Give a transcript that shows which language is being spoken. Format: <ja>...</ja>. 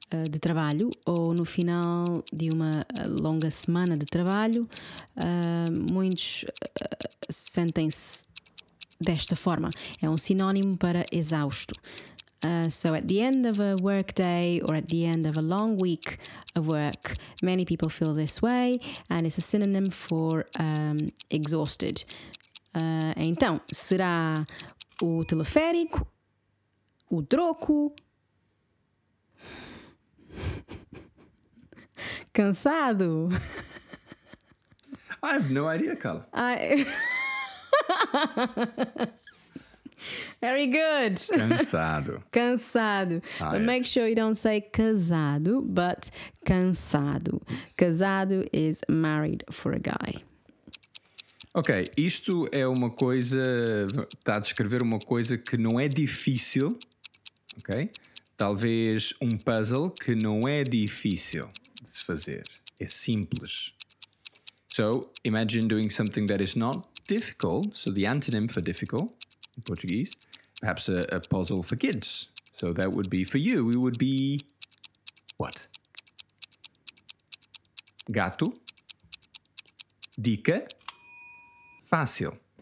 <pt>de trabalho, ou no final de uma longa semana de trabalho, muitos sentem-se desta forma. É um sinónimo para exausto.</pt> <en>So at the end of a work day or at the end of a long week of work, many people feel this way and it's a synonym for exhausted.</en> <pt>Então, será o teleférico, o troco... Cansado.</pt> <en>I have no idea, Carla. Very good.</en> <pt>Cansado. Cansado.</pt> <en>But make sure you don't say casado, but cansado. Casado is married for a guy.</en> <pt>Ok, isto é uma coisa... Está a descrever uma coisa que não é difícil. Ok? Talvez um puzzle que não é difícil de se fazer. É simples.</pt> <en>So, imagine doing something that is not difficult. So, the antonym for difficult in Portuguese. Perhaps a puzzle for kids. So, that would be for you. It would be... What?</en> <pt>Gato. Dica. Fácil.</pt>